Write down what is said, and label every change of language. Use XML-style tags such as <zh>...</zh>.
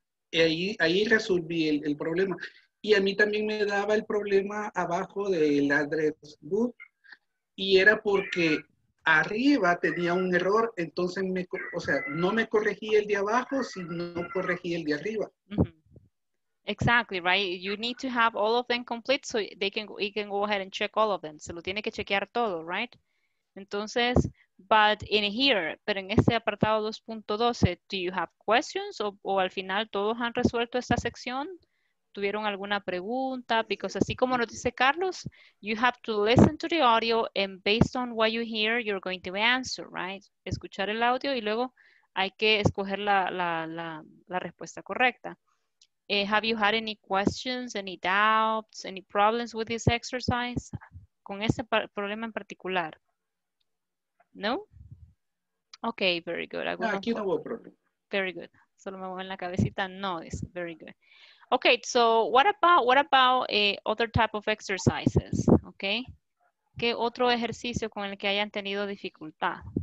<es>Y ahí resolví el problema. Y a mí también me daba el problema abajo del address book y era porque arriba tenía un error, entonces no me corregí el de abajo, sino corregí el de arriba. Uh-huh.</es> <en>Exactly, right? You need to have all of them complete so they can, he can go ahead and check all of them.</en> <es>Se lo tiene que chequear todo,</es> <en>right?</en> <es>Entonces,</es> <en>but in here,</en> <es>pero en este apartado 2.12,</es> <en>do you have questions?</en> <es>O al final todos han resuelto esta sección? ¿Tuvieron alguna pregunta?</es> <en>Because</en> <es>así como nos dice</es> <en>Carlos, you have to listen to the audio and based on what you hear, you're going to answer, right?</en> <es>Escuchar el audio y luego hay que escoger la respuesta correcta.</es> <en>Have you had any questions, any doubts, any problems with this exercise?</en> <es>Con este problema en particular. No?</es> <en>Okay, very good.</en> <es>No, aquí no hubo problema.</es> <en>Very good.</en> <es>Solo me muevo en la cabecita.</es> <en>No, it's very good. Okay, so what about other type of exercises? Okay.</en> <es>¿Qué otro ejercicio con el que hayan tenido dificultad?</es>